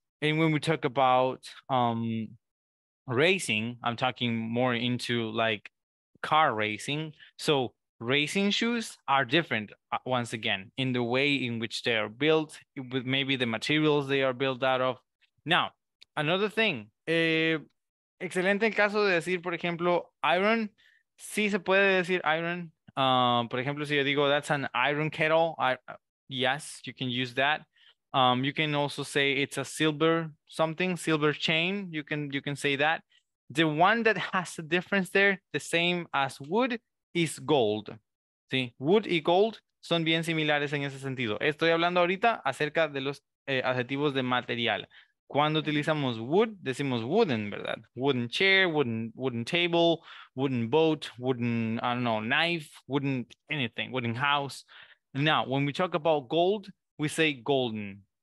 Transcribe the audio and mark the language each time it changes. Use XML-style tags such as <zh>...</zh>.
<en>And when we talk about racing, I'm talking more into like car racing. So racing shoes are different, once again, in the way in which they are built, with maybe the materials they are built out of.</en> <es>Now, another thing, excelente caso de decir, por ejemplo, iron. Sí se puede decir iron. Por ejemplo, si yo digo, that's an iron kettle.</es> <en>Yes, you can use that. You can also say it's a silver chain. You can say that. The one that has a difference there, the same as wood, is gold.</en> <es>¿Sí? Wood y gold son bien similares en ese sentido. Estoy hablando ahorita acerca de los adjetivos de material. Cuando utilizamos wood, decimos wooden, ¿verdad?</es> <en>Wooden chair, wooden table, wooden boat, wooden, I don't know, knife, wooden anything, wooden house. Now, when we talk about gold, we say golden.</en>